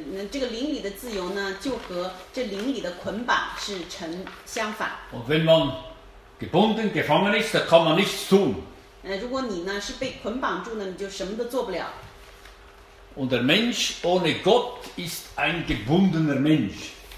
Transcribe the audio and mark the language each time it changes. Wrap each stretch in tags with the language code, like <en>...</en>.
<zh>这个灵里的自由呢就和这灵里的捆绑是成相反。</zh> <de>Und wenn man gebunden, gefangen ist, dann kann man nichts tun.</de> <zh>如果你呢是被捆绑住呢，你就什么都做不了。</zh> <de>Und der Mensch ohne Gott ist ein gebundener Mensch.</de>